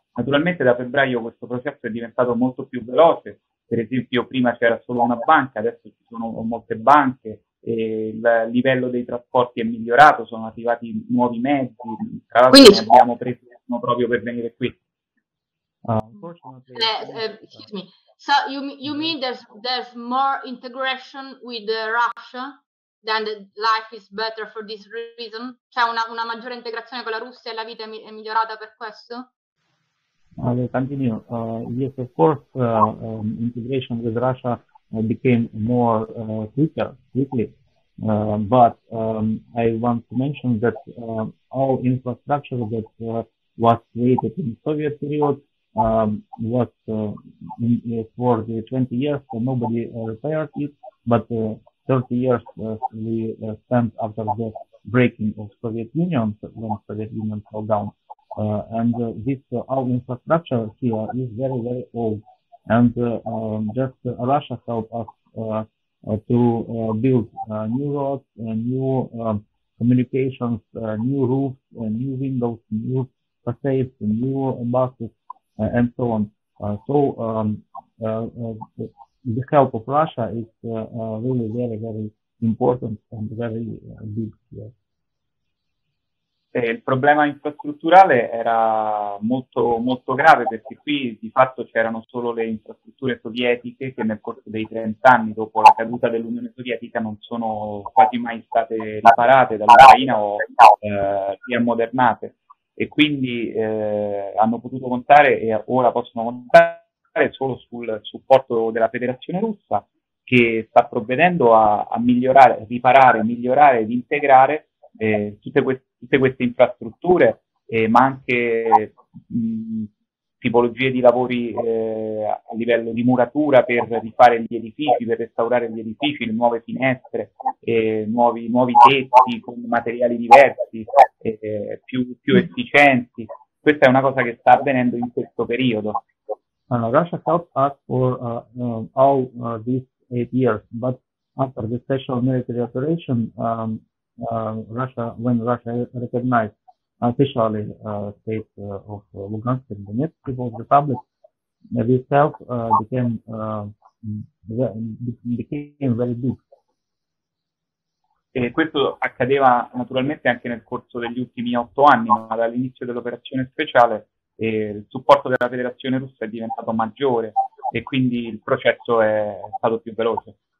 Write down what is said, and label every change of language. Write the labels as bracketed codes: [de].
[it] Naturalmente da febbraio questo processo è diventato molto più veloce. Per esempio, prima c'era solo una banca, adesso ci sono molte banche, e il livello dei trasporti è migliorato, sono arrivati nuovi mezzi, tra l'altro Quindi, ne abbiamo preso uno proprio per venire qui. [en] Unfortunately, excuse me. So you mean there's more integration with Russia? Than the life is better for this reason? C'è una maggiore integrazione con la Russia e la vita è migliorata per questo? I'll continue. Yes, of course, integration with Russia became more quickly. But I want to mention that all infrastructure that was created in Soviet period was for the 20 years, so nobody repaired it. But 30 years we spent after the breaking of Soviet Union, when Soviet Union fell down. And this our infrastructure here is very, very old. And just Russia helped us to build new roads, new communications, new roofs, new windows, new facades, new buses, and so on. The help of Russia is really very, very important and very big here. [it] Il problema infrastrutturale era molto, molto grave perché qui di fatto c'erano solo le infrastrutture sovietiche che nel corso dei 30 anni dopo la caduta dell'Unione Sovietica non sono quasi mai state riparate dall'Ucraina o riammodernate e quindi hanno potuto contare e ora possono contare solo sul supporto della Federazione Russa che sta provvedendo a migliorare, riparare, migliorare ed integrare tutte queste infrastrutture, ma anche tipologie di lavori a livello di muratura per rifare gli edifici, per restaurare gli edifici, le nuove finestre, nuovi tetti con materiali diversi, più efficienti. Questa è una cosa che sta avvenendo in questo periodo. [en] Russia helped us for all these 8 years, but after the special military operation, Russia, when Russia recognized officially state of Lugansk and Donetsk People's Republic, this help became very big. [it] E questo accadeva naturalmente anche nel corso degli ultimi 8 anni, ma dall'inizio dell'operazione speciale il supporto della Federazione Russa è diventato maggiore e quindi il processo è stato più veloce.